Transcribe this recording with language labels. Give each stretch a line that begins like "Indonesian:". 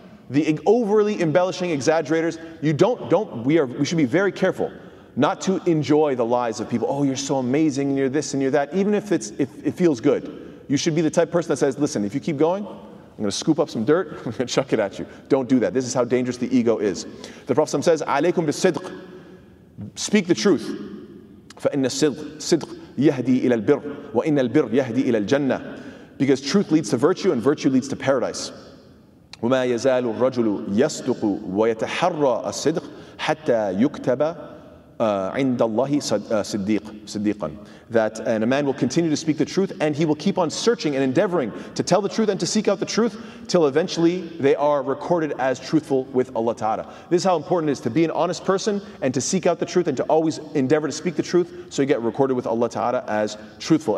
English: The overly embellishing exaggerators. We should be very careful not to enjoy the lies of people. Oh, you're so amazing and you're this and you're that. Even if it feels good. You should be the type of person that says, listen, if you keep going, I'm going to scoop up some dirt, I'm going to chuck it at you. Don't do that. This is how dangerous the ego is. The Prophet says,
Arabic: عليكم بالصدق.
English: Speak the truth.
Arabic: فإن الصدق يهدي إلى البر وإن البر يهدي إلى الجنة.
English: Because truth leads to virtue and virtue leads to paradise.
Arabic: وما يزال الرجل يصدق ويتحرى الصدق حتى يكتب عند الله صديقا.
English: That and a man will continue to speak the truth and he will keep on searching and endeavoring to tell the truth and to seek out the truth till eventually they are recorded as truthful with Allah Ta'ala. This is how important it is to be an honest person and to seek out the truth and to always endeavor to speak the truth so you get recorded with Allah Ta'ala as truthful.